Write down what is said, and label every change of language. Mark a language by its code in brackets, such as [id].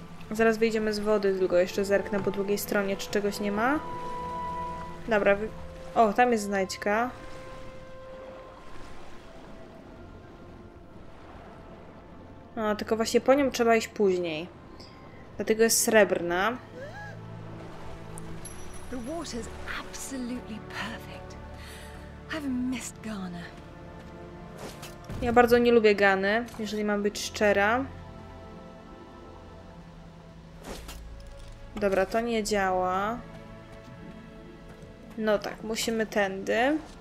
[pl] Zaraz wyjdziemy z wody, tylko jeszcze zerknę po drugiej stronie, czy czegoś nie ma. Dobra, o, tam jest znajdźka. No, tylko właśnie po nią trzeba iść później. Dlatego jest srebrna. [en] The water's absolutely perfect. I've missed Ghana. [pl] Ja bardzo nie lubię Gany, jeżeli mam być szczera. Dobra, to nie działa. No tak, musimy tędy.